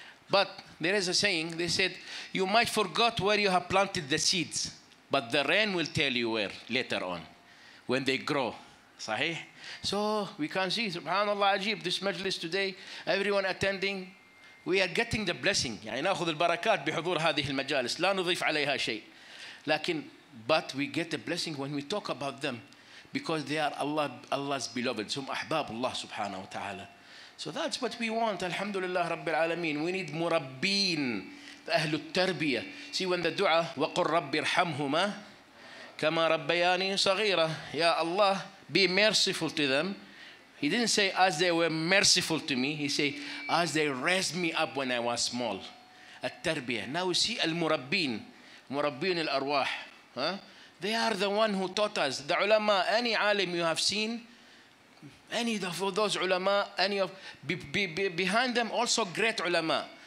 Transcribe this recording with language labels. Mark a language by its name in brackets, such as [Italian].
[English] But there is a saying, they said, you might forget where you have planted the seeds, but the rain will tell you where later on, when they grow. Sahih? So we can see, subhanAllah, ajib, this majlis today, everyone attending, we are getting the blessing. [Arabic] يعني ناخذ البركات بحضور هذه المجالس. لا نضيف عليها شيء. لكن, [English] but we get the blessing when we talk about them, because they are Allah, Allah's beloved. [Arabic] هم أحباب الله سبحانه وتعالى. [English] So that's what we want. [Arabic] Alhamdulillah, Rabbil Alameen. [English] We need [Arabic] مربين, أهل التربية. [English] See when the dua, [Arabic] وقل رب ارحمهما كما ربياني صغيرة. يا الله, [English] be merciful to them. He didn't say as they were merciful to me. He said as they raised me up when I was small. At-tarbiyah. Now we see al-murabbin. Murabbin al-arwah. Huh? They are the one who taught us. The ulama, any alim you have seen, any of those ulama, any of behind them also great ulama.